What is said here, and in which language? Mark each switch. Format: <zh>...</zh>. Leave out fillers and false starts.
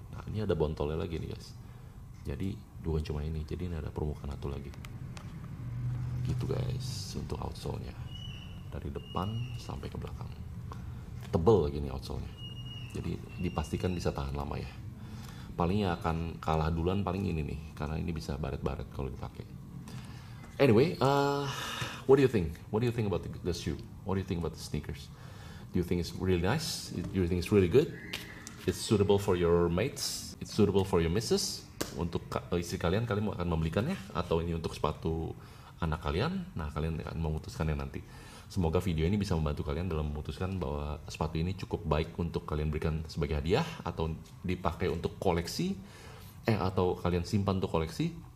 <id>Nah, ini ada bontolnya lagi nih guys. Jadi bukan cuma ini, jadi ini ada permukaan satu lagi. Gitu guys, untuk outsole-nya. Dari depan sampai ke belakang. Tebel lagi nih outsole-nya. Jadi dipastikan bisa tahan lama ya. Paling yang akan kalah duluan paling ini nih, karena ini bisa baret-baret kalau dipakai.</id> <en>Anyway, what do you think? What do you think about the shoe? What do you think about the sneakers? Do you think it's really nice? Do you think it's really good? It's suitable for your mates? It's suitable for your missus?</en> <id>Untuk istri kalian, kalian akan membelikannya? Atau ini untuk sepatu anak kalian? Nah, kalian akan memutuskannya nanti. Semoga video ini bisa membantu kalian dalam memutuskan bahwa sepatu ini cukup baik untuk kalian berikan sebagai hadiah atau dipakai untuk koleksi, atau kalian simpan untuk koleksi.</id>